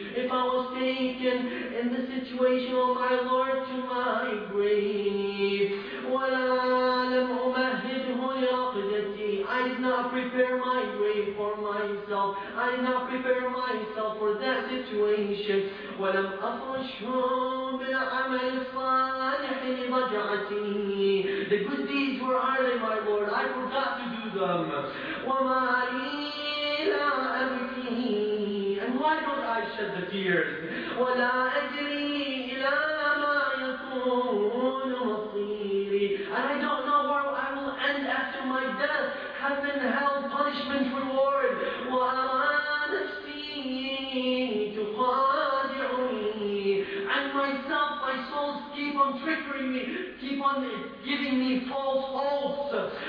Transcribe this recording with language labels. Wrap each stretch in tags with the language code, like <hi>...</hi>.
<en>If I was taken in the situation of my Lord to my grave.</en> <ar>وَلَا لَمْ أُمَهِّدْهُ لِرَقْدَتِي.</ar> <en>I did not prepare my grave. way for myself. I have prepared myself for that situation.</en> <ar>ولم أفرش بالعمل الصالح لرجعتي.</ar> <en>The good deeds were early, my Lord. I forgot to do them.</en> <ar>وما لي لا أبكي.</ar> <en>And why don't I shed the tears?</en> <ar>ولا أدري إلى ما يكون مصيري.</ar> <en>And I don't know where I will end after my death. Heaven, hell, punishment, reward.</en> <ar>وما نفسي تخادعني.</ar> <en>And myself, my souls keep on trickering me, keep on giving me false hopes.</en>